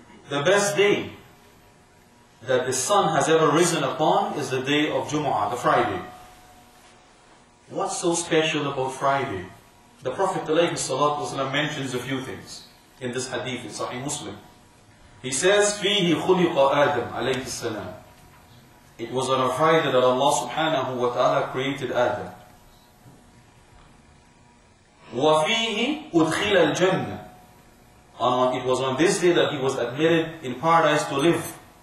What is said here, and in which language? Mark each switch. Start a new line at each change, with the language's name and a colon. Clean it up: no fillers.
English: The best day that the sun has ever risen upon is the day of Jumu'ah, the Friday. What's so special about Friday? The Prophet ﷺ mentions a few things in this hadith in Sahih Muslim. He says,
Arabic: فِيهِ خُلِقَ آدَمْ عَلَيْهِ السَّلَامِ.
English: It was on a Friday that Allah subhanahu wa ta'ala created Adam.
Arabic: وَفِيهِ أُدْخِلَ الْجَنَّةِ.
English: It was on this day that he was admitted in paradise to live.